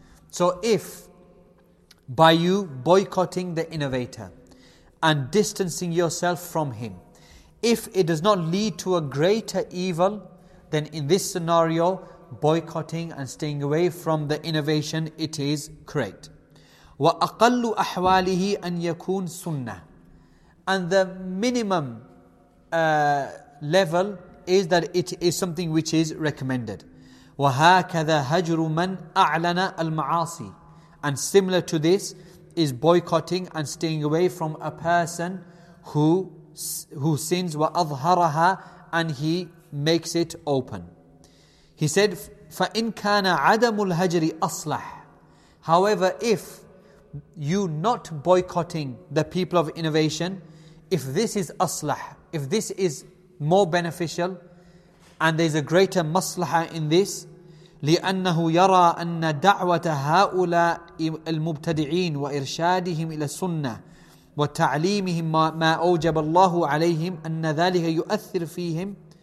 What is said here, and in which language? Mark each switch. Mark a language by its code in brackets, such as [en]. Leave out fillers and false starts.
[en] So if by you boycotting the innovator and distancing yourself from him, if it does not lead to a greater evil, then in this scenario, boycotting and staying away from the innovation, it is correct. [ar] وَأَقَلُّ أَحْوَالِهِ أَنْ يَكُونَ سُنَّةً. [en] And the minimum level is that it is something which is recommended. [ar] وَهَكَذَا هَجْرُ مَنْ أَعْلَنَ الْمَعَاصِي. [en] And similar to this is boycotting and staying away from a person who sins [ar] wa adhharaha, [en] and he makes it open. He said, [ar] فَإِنْ كَانَ عَدَمُ الْهَجْرِ أَصْلَحْ. [en] However, if you not boycotting the people of innovation, if this is aslah, if this is more beneficial, and there's a greater maslaha in this, [ar] لِأَنَّهُ يَرَى أَنَّ دَعْوَةَ هَؤُلَاءِ الْمُبْتَدِعِينَ وَإِرْشَادِهِمْ إِلَى السُنَّةِ وَتَعْلِيمِهِمْ مَا أَوْجَبَ اللَّهُ عَلَيْهِمْ أَنَّ ذَلِكَ يُؤَثِّرْ فِيهِمْ.